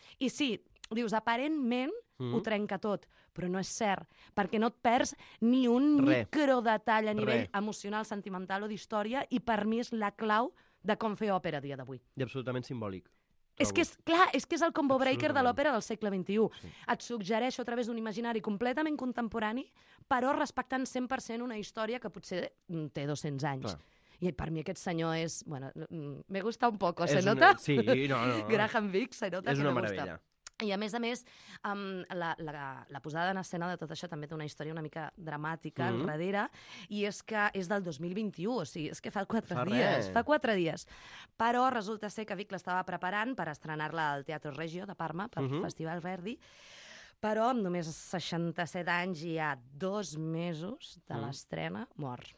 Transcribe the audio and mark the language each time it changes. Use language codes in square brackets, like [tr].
[ca] I sí, dius, aparentment ho trenca tot, però no és cert, perquè no et perds ni un microdetall a nivell emocional, sentimental o d'història, i per mi és la clau de com fer òpera a dia d'avui. I absolutament simbòlic. És que és, clar, és que és el combo breaker de l'òpera del segle XXI. Sí. Et suggereixo a través d'un imaginari completament contemporani, però respectant 100% una història que potser té 200 anys. Clar. I per mi aquest senyor és... [es] Bueno, me gusta un poco, se nota? [ca] Sí, no, no. [es] Graham Vick, se nota? [ca] És una meravella. I a més, la posada en escena de tot això també té una història una mica dramàtica al darrere, i és que és del 2021, o sigui, és que fa quatre dies. Però resulta ser que Vic l'estava preparant per estrenar-la al Teatro Regio de Parma, pel Festival Verdi, però amb només 67 anys i ja 2 mesos de l'estrena, mor.